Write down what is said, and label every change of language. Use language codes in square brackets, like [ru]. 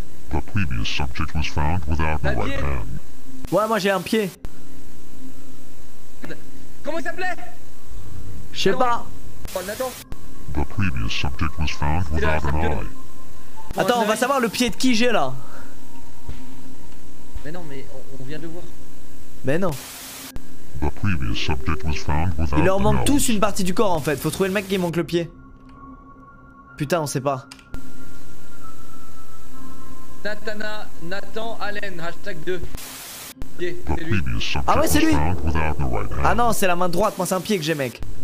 [en] The previous subject was found without the right hand. [fr] Ouais, moi j'ai un pied. Comment il s'appelait? Je sais pas. [en] The previous subject was found without an eye. [fr] Attends, on va savoir le pied de qui j'ai là. Mais non, mais on vient de voir. Mais non. [en] The previous subject was found without. [fr] Il leur manque tous une partie du corps en fait. Faut trouver le mec qui manque le pied. Putain, on sait pas. [en] Natana Nathan Allen hashtag 2. Yeah, [fr] c'est lui. Ah ouais, c'est lui. Ah non, c'est la main droite. Moi, c'est un pied que j'ai, mec.